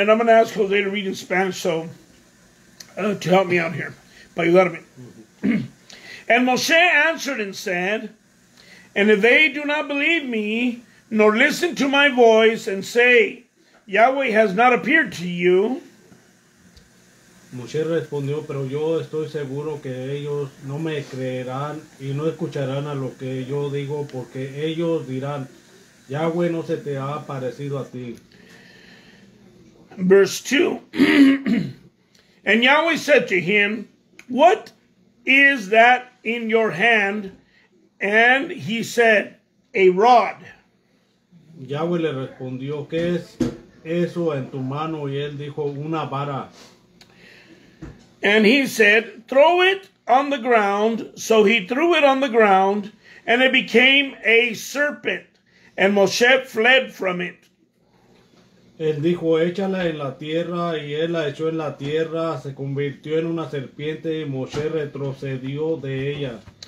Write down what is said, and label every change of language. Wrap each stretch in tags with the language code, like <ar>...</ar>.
<en>And I'm going to ask Jose to read in Spanish, so to help me out here.</en> <es>Para ayudarme.</es> <en>And Moshe answered and said, and if they do not believe me, nor listen to my voice, and say, Yahweh has not appeared to you.</en> <es>Moshe respondió, pero yo estoy seguro que ellos no me creerán y no escucharán a lo que yo digo, porque ellos dirán, Yahweh no se te ha aparecido a ti.</es> <en>Verse 2. And Yahweh said to him, what is that in your hand? And he said, a rod.</en> <es>Yahweh le respondió, ¿qué es eso en tu mano? Y él dijo, una vara.</es> <en>And he said, throw it on the ground. So he threw it on the ground, and it became a serpent. And Moshe fled from it.</en> <es>Él dijo, échala en la tierra, y él la echó en la tierra, se convirtió en una serpiente, y Moshe retrocedió de ella.</es>